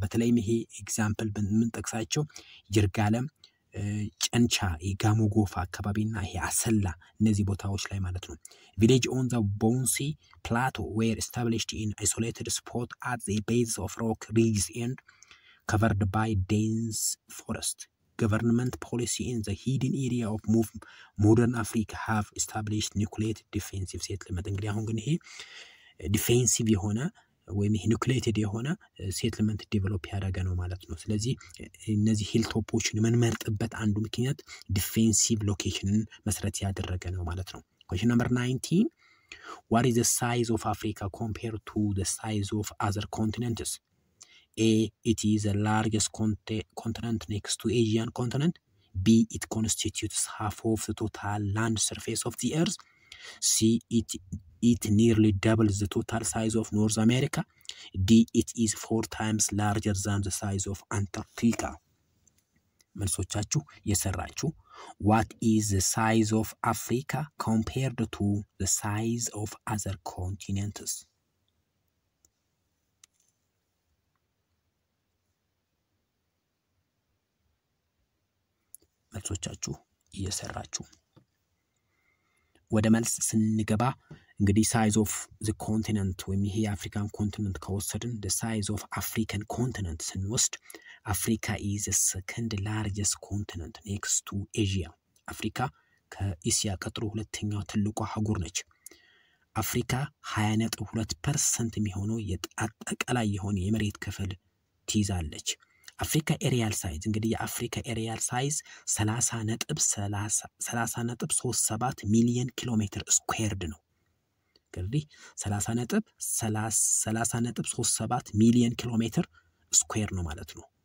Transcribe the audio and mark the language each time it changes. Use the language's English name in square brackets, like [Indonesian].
[Amharic] በተለይም ይሄ ኤግዛምፕል ምንጠቅሳቸው ይርጋለም ጨንቻ የጋሞ ጎፋ አካባቢና ይሄ አሰላ እነዚህ ቦታዎች ላይ ማለት ነው. [English] Village on the Bonsi Plateau were established in isolated spot at the base of rock ridges and covered by dense forest. Government policy in the hidden area of modern Africa have established nucleated defensive settlement. [Amharic] እንግዲህ አሁን ግን ይሄ ዲፌንሲቭ የሆነ ወይም ይሄ ኒውክሌትድ የሆነ ሴትልመንት ዴቨሎፕ ያደረገ ነው ማለት ነው. ስለዚህ እነዚህ ሂልቶፖችን የምንመርጥበት አንዱ ምክንያት ዲፌንሲቭ ሎኬሽንን መሰረት ያደረገ ነው ማለት ነው. [English] Question number 19. What is the size of Africa compared to the size of other continents? A. It is the largest continent next to Asian continent. B. It constitutes half of the total land surface of the earth. C. It it nearly doubles the total size of North America. D, it is 4 times larger than the size of Antarctica. [Amharic] መልሶቻችሁ የሰራችሁ [English] What is the size of Africa compared to the size of other continents? [Amharic] መልሶቻችሁ እየሰራችሁ ወደ መልስ ስንገባ እንግዲህ [English] size of the continent ወይም ይሄ African continent ከወሰድን the size of African continent ስንወስድ Africa is the second largest continent next to Asia. [Amharic] Africa ከእስያ ቀጥሎ ሁለተኛው ትልቁ አህጉር ነች. Africa 20.2% የሚሆነው የአጠቃላይ የሆነ የመሬት ክፍል ትይዛለች. Africa areal size እንግዲህ የአፍሪካ areal size 30.37 million kilometer squared ነው. እንግዲህ 30.37 million kilometer square ነው ማለት ነው.